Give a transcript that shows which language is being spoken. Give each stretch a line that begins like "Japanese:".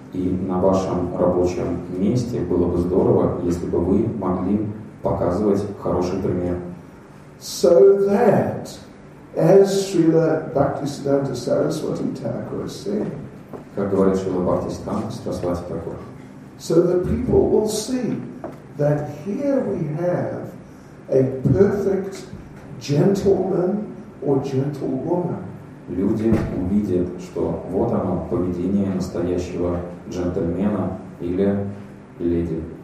Russian: И на вашем рабочем месте было бы здорово, если бы вы могли показывать хороший пример.
English: So that, as Srila Bhaktisiddhanta Saraswati Thakur said,
Russian: как говорит Шрила Бхактисиддханта Сарасвати Такур,
English: so the people will see that here we have a perfect gentleman or gentlewoman.
Russian: Люди увидят, что вот оно, поведение настоящего джентльмена или леди.